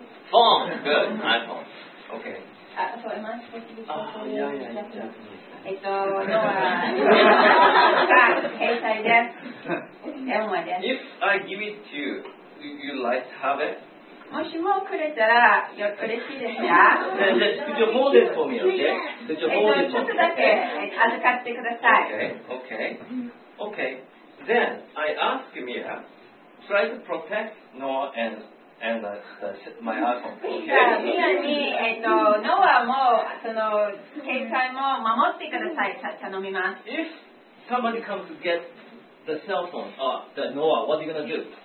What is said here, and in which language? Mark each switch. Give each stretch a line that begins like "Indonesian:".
English: Phone. Good. iPhone. Okay. So am I supposed to be talking to you? If I give it to you, would you like to have it?
Japanese: もしもくれたら嬉しいですか。じゃあもうですもみよ。ちょっとだけ預かってください。
English: Okay. Then I ask Mira, try to protect Noah and my iPhone.
Japanese: ミラにノアもその携帯も守ってください。頼みます。
English: If somebody comes to get the cell phone, the Noah, what are you gonna do?